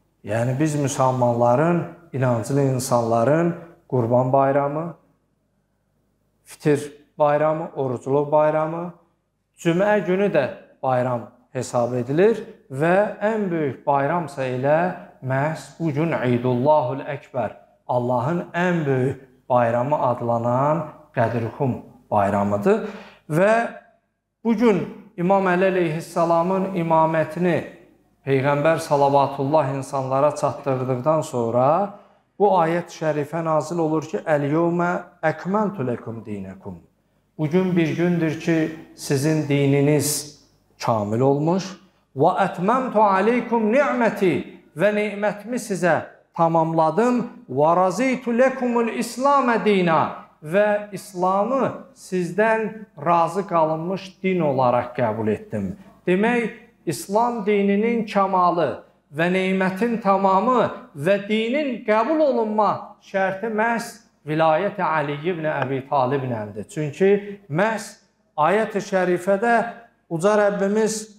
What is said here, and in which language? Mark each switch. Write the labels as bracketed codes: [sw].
[az] Yəni biz müsəlmanların, inancılı insanların qurban bayramı, fitir bayramı, orucluq bayramı, cümə günü də bayram hesab edilir və ən böyük bayramsa elə məhz bu gün İdullahül Əkbər, Allahın ən böyük bayramı adlanan Qədirxum bayramıdır və bugün İmam Əli əleyhissalamın imamətini Peyğəmbər salavatullah insanlara çatdırdıqdan sonra bu ayət-i şərifə nazil olur ki, [ar] Əl-yəvmə əkməltü ləkum dinəkum. [az] Bugün bir gündür ki, sizin dininiz kamil olmuş. [ar] Və ətməmtu aleykum ni'məti [az] və ni'mətimi sizə tamamladım. [ar] Və razitu ləkumul İslamə dinə [az] və İslamı sizdən razı qalınmış din olaraq qəbul etdim. Demək, İslam dininin kamalı və neymətin tamamı və dinin qəbul olunma şərti məhz vilayət-i Əli ibn Əbi Taliblə idi. Çünki məhz ayət-i şərifədə uca Rəbbimiz